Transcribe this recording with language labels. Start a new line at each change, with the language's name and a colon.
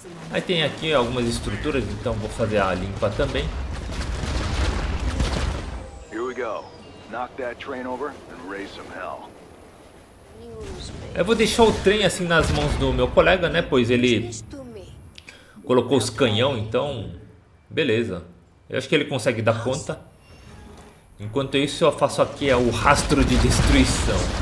Portuguese: Aí tem aqui algumas estruturas, então vou fazer a limpa também.
English: Here we go. Knock that train over and raise some hell.
Portuguese: Eu vou deixar o trem assim nas mãos do meu colega, né? Pois ele colocou os canhão, então beleza. Eu acho que ele consegue dar conta. Enquanto isso, eu faço aqui é o rastro de destruição.